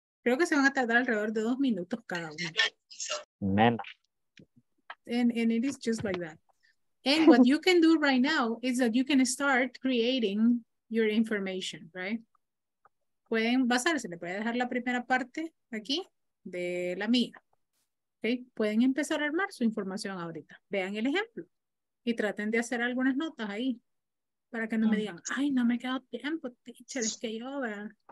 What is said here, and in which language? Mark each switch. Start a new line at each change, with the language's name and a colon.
Spanish: Creo que se van a tardar alrededor de 2 minutos cada uno.
English: Man. And it is just like that. And what you can do right now is that you can start creating your information, right?
Spanish: Pueden basarse, le voy a dejar la primera parte aquí de la mía. Okay? Pueden empezar a armar su información ahorita. Vean el ejemplo. Y traten de hacer algunas notas ahí para que no me digan, ay, no me he quedado tiempo, teacher, es que yo, ¿verdad?